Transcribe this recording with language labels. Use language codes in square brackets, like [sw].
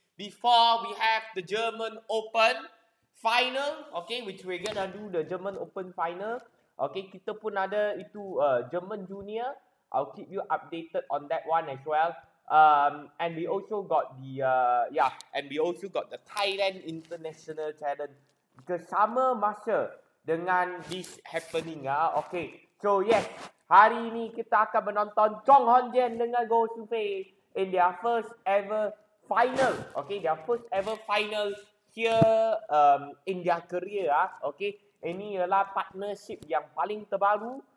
[en] Before we have the German Open final, okay, which we're gonna do the German Open final. Okay, [ms] kita pun ada itu [en] German Junior. I'll keep you updated on that one as well. And we also got the and we also got the Thailand International Challenge. [ms] Bersama masa dengan [en] this happening [ms] ah. [en] Okay, so yes, [ms] hari ini kita akan menonton [en] Choong Hon-jen dengan Goh Soo-fei in their first ever final. Okay, their first ever final here in their career ah. Okay. [ms] Ini ialah partnership yang paling terbaru.